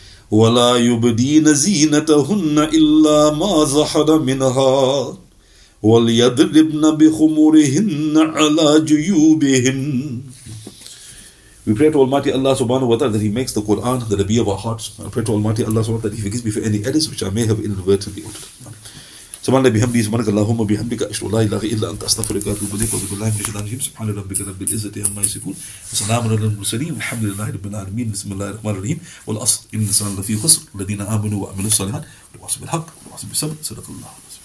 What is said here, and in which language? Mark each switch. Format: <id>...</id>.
<ar>ولا يبدين زينتهن إلا ما ظهر منها وليضربن بخمورهن على جيوبهن.</ar> <en>We pray to Almighty Allah subhanahu wa ta'ala that He makes the Quran the Rabi of our hearts. I pray to Almighty Allah subhanahu wa ta'ala that He forgives me for any errors which I may have inadvertently uttered.</en> <ar>سبحان الله بحمده سبحانك اللهم وبحمدك أشهد أن لا إله إلا أنت أستغفرك وأتوب إليك وأعوذ بالله من الشيطان الرجيم سبحان ربك رب العزة عما يصفون وسلام على المرسلين والحمد لله رب العالمين بسم الله الرحمن الرحيم والأصل إن الإنسان لفي خسر الذين آمنوا وعملوا الصالحات وتواصوا بالحق وتواصوا بالصبر صدق الله العظيم.</ar>